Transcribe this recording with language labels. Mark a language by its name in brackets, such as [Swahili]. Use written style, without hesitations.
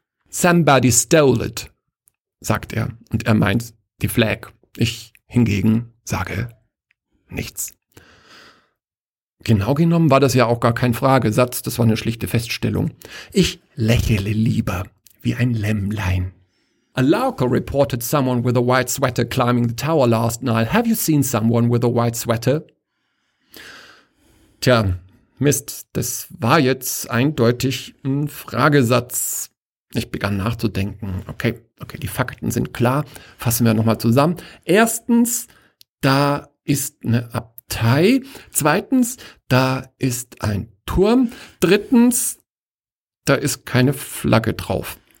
[English] Somebody stole it, [German] sagt er. Und er meint die Flag. Ich hingegen sage nichts. Genau genommen war das ja auch gar kein Fragesatz. Das war eine schlichte Feststellung. Ich lächele lieber wie ein Lämmlein. [English] A local reported someone with a white sweater climbing the tower last night. Have you seen someone with a white sweater? [German] Tja, Mist, das war jetzt eindeutig ein Fragesatz. Ich begann nachzudenken. Okay, die Fakten sind klar. Fassen wir nochmal zusammen. Erstens, da ist eine Abtei. Zweitens, da ist ein Turm. Drittens, da ist keine Flagge drauf.